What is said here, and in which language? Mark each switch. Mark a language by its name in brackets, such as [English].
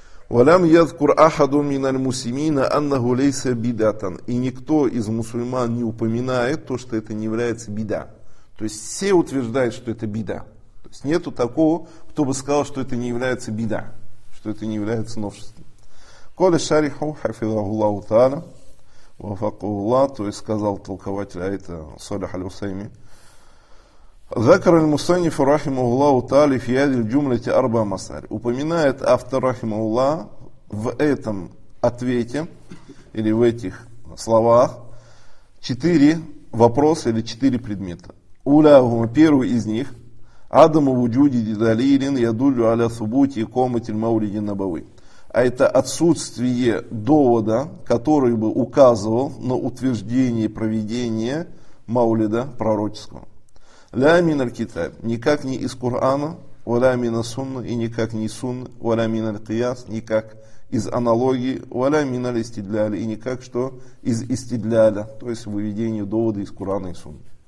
[Arabic] ولم يذكر أحد من المسلمين أنه ليس بدعة, [Russian] и никто из мусульман не упоминает то, что это не является беда. То есть все утверждают, что это беда. То есть нету такого, кто бы сказал, что это не является беда, что это не является новшеством. [Arabic] قال الشارح حفظه الله تعالى وفقه الله, [Russian] то есть сказал толкователь, а это [Arabic] صالح العثيمين. ذكر المصنف رحمه الله تعالى في هذه الجملة أربع مسائل. [Russian] Упоминает автор [Arabic] رحمه الله [Russian] в этом ответе или в этих словах четыре вопроса или четыре предмета. [Arabic] أولهما, [Russian] первый из них, [Arabic] عدم وجود دليل يدل على ثبوت إقامة المولد النبوي. [Russian] А это отсутствие довода, который бы указывал на утверждение проведения Маулида пророческого. [Arabic] Ля мин аль-китаб, [Russian] никак не из Корана, [Arabic] валя мин ас-сунна, [Russian] и никак не из сунны, [Arabic] валя мин аль-кияс, [Russian] никак из аналогии, [Arabic] валя мин аль-истидляль, [Russian] и никак что из истидляля, то есть выведение довода из Корана и сунны.